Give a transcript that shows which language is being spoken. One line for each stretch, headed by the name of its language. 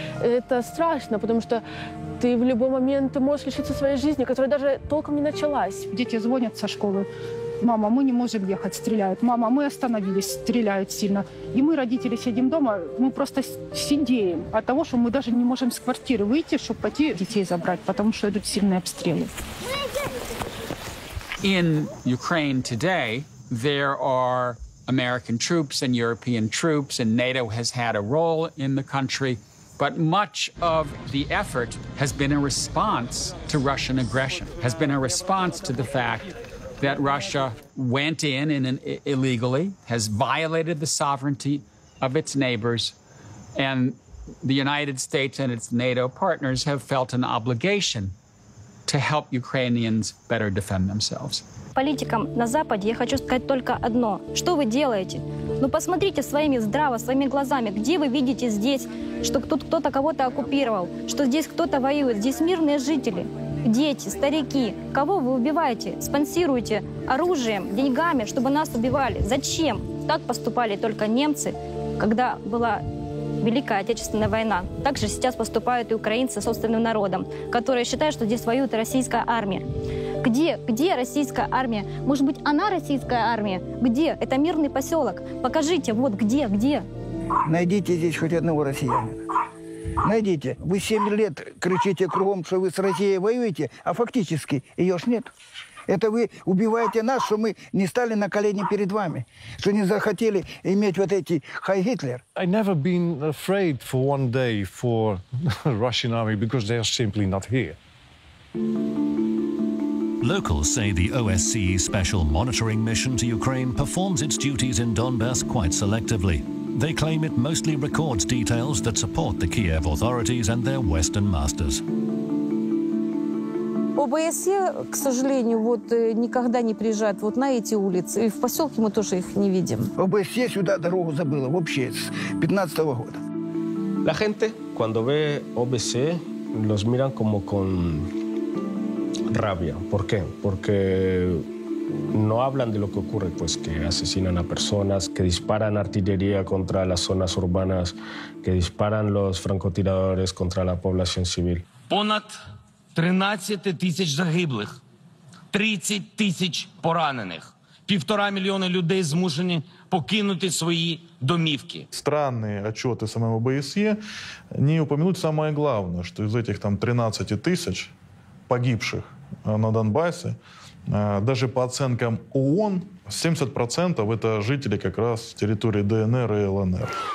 Russian: Это страшно, потому что ты в любой момент можешь лишиться своей жизни, которая даже толком не началась. Дети звонят со школы. «Мама, мы не можем ехать, стреляют. Мама, мы остановились, стреляют сильно. И мы, родители, сидим дома, мы просто сидим от того, что мы даже не можем с квартиры выйти, чтобы пойти детей забрать, потому что идут сильные обстрелы».
English: In Ukraine today, there are American troops and European troops, and NATO has had a role in the country. But much of the effort has been a response to Russian aggression, has been a response to the fact that Russia went in illegally, has violated the sovereignty of its neighbors, and the United States and its NATO partners have felt an obligation to help Ukrainians better defend themselves.
Russian: Политикам на Западе я хочу сказать только одно. Что вы делаете? Ну, посмотрите своими здраво, своими глазами, где вы видите здесь, что тут кто-то кого-то оккупировал, что здесь кто-то воюет, здесь мирные жители. Дети, старики, кого вы убиваете, спонсируете оружием, деньгами, чтобы нас убивали? Зачем? Так поступали только немцы, когда была Великая Отечественная война. Так же сейчас поступают и украинцы собственным народом, которые считают, что здесь воюет российская армия. Где российская армия? Может быть, она российская армия? Где? Это мирный поселок. Покажите, вот где? Найдите здесь хоть одного россиянина. Найдите. Вы 7 лет кричите кругом, что вы с Россией воюете, а фактически ее ж нет. Это вы убиваете нас, что мы не стали на колени перед вами, что не захотели иметь вот эти Хай Гитлер.
English: I never been afraid for one day for Russian army because they are simply not here. Locals say the OSCE special monitoring mission to Ukraine performs its duties in Donbass quite selectively. They claim it mostly records details that support the Kiev authorities and their Western masters.
Russian: ОБСЕ, к сожалению, вот никогда не приезжает вот на эти улицы. И в поселке мы тоже их не видим. ОБСЕ сюда дорогу забыла вообще с 15-го года.
Spanish: La gente cuando ve OBSE los miran como con rabia. ¿Por qué? Porque no hablan de lo que ocurre, pues que asesinan a personas, que disparan artillería contra las zonas urbanas, que disparan los francotiradores contra la población civil.
Ukrainian: Понад 13 тисяч загиблих, 30 тисяч поранених, півтора мільйона людей змушені покинути свої домівки.
Russian: Странные отчеты самого ОБСЕ не упомянуть самое главное, что из этих там 13 тысяч погибших на Донбассе, даже по оценкам ООН, 70% это жители как раз территории ДНР и ЛНР.